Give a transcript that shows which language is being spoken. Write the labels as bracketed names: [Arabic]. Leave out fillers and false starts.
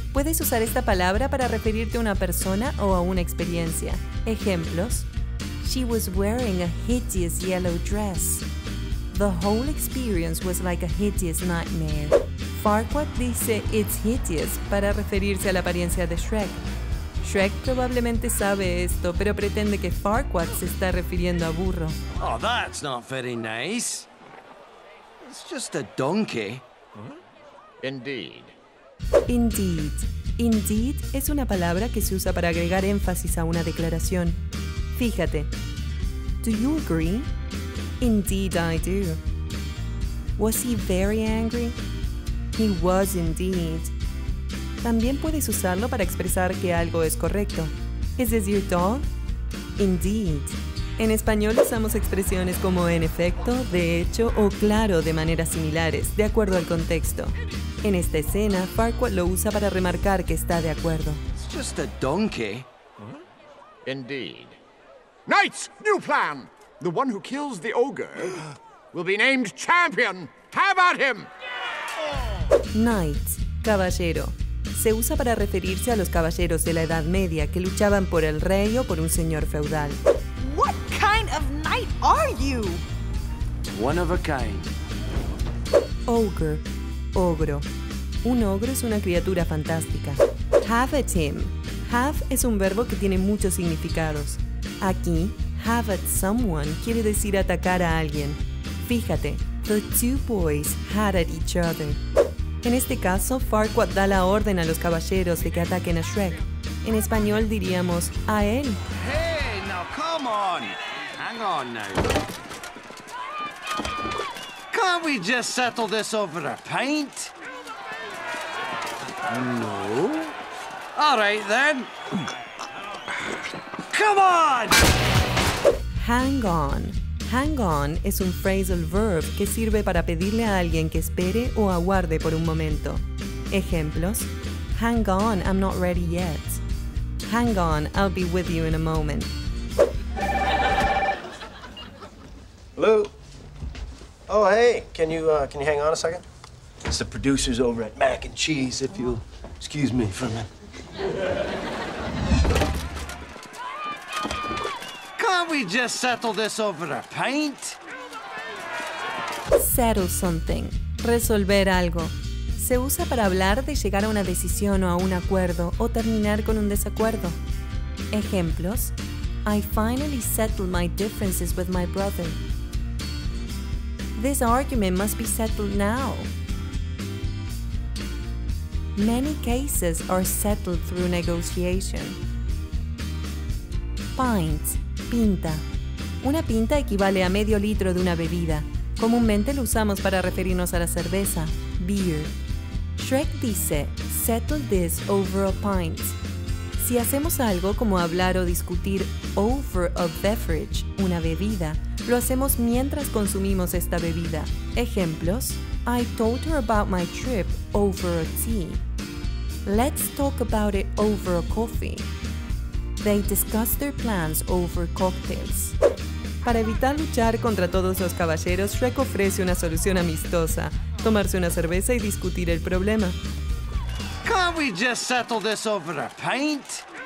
[Spanish] Puedes usar esta palabra para referirte a una persona o a una experiencia. Ejemplos. [English] She was wearing a hideous yellow dress. The whole experience was like a hideous nightmare. [Spanish] Farquaad dice [English] it's hideous [Spanish] para referirse a la apariencia de Shrek. Shrek probablemente sabe esto, pero pretende que Farquaad se está refiriendo a burro. [English] Oh, that's not very nice. It's just a donkey. Indeed. Indeed. [Spanish] Indeed es una palabra que se usa para agregar énfasis a una declaración. Fíjate. [English] Do you agree? Indeed I do. Was he very angry? He was indeed. [Spanish] También puedes usarlo para expresar que algo es correcto. [English] Is this your dog? Indeed. [Spanish] En español usamos expresiones como en efecto, de hecho o claro de maneras similares, de acuerdo al contexto. En esta escena, Farquaad lo usa para remarcar que está de acuerdo. [English] It's just a donkey. Indeed. Knights, new plan. The one who kills the ogre will be named champion. Have at him. [Spanish] Knight, caballero. Se usa para referirse a los caballeros de la Edad Media que luchaban por el rey o por un señor feudal. [English] What kind of knight are you? One of a kind. [Spanish] Ogre. Ogro. Un ogro es una criatura fantástica. [English] Have at him. [Spanish] Have es un verbo que tiene muchos significados. Aquí, [English] have at someone [Spanish] quiere decir atacar a alguien. Fíjate, [English] the two boys had at each other. [Spanish] En este caso, Farquaad da la orden a los caballeros de que ataquen a Shrek. En español diríamos, a él. [English] Hey, now come on. Hang on now. Can't we just settle this over a pint? No. All right, then. Come on! Hang on. [Spanish] Hang on es un phrasal verb que sirve para pedirle a alguien que espere o aguarde por un momento. Ejemplos. [English] Hang on, I'm not ready yet. Hang on, I'll be with you in a moment. Hello? Oh, hey, can you hang on a second? It's the producers over at Mac and Cheese, if you'll excuse me for a minute. Can't we just settle this over a pint? Settle something. [Spanish] Resolver algo. Se usa para hablar de llegar a una decisión o a un acuerdo o terminar con un desacuerdo. Ejemplos. [English] I finally settled my differences with my brother. This argument must be settled now. Many cases are settled through negotiation. [Spanish] Pint, pinta. Una pinta equivale a medio litro de una bebida. Comúnmente lo usamos para referirnos a la cerveza, beer. Shrek dice, [English] settle this over a pint. [Spanish] Si hacemos algo como hablar o discutir [English] over a beverage, [Spanish] una bebida, lo hacemos mientras consumimos esta bebida. Ejemplos. [English] I told her about my trip over a tea. Let's talk about it over a coffee. They discussed their plans over cocktails. [Spanish] Para evitar luchar contra todos los caballeros, Shrek ofrece una solución amistosa. Tomarse una cerveza y discutir el problema. [English] Can't we just settle this over a pint?